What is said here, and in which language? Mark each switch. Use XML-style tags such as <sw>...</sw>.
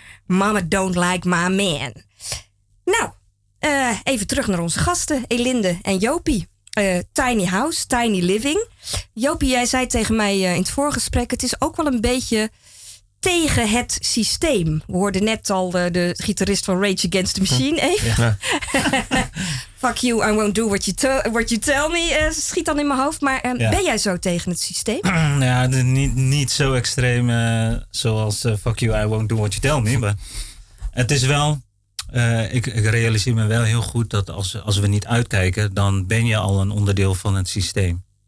<en>Mama don't like my man.</en> <nl>Nou, even terug naar onze gasten. Elinde en Jopie. Tiny house, tiny living. Jopie, jij zei tegen mij in het voorgesprek, het is ook wel een beetje tegen het systeem. We hoorden net al de gitarist van Rage Against the Machine. Ja.</nl> <en>Fuck you, I won't do what you tell me.</en> <nl>Schiet dan in mijn hoofd. Maar ben jij zo tegen het systeem? Ja, niet zo extreem zoals</nl> <en>fuck you, I won't do what you tell me.</en> <nl>Maar het is wel... Ik realiseer me wel heel goed dat als we niet uitkijken, dan ben je al een onderdeel van het systeem.</nl>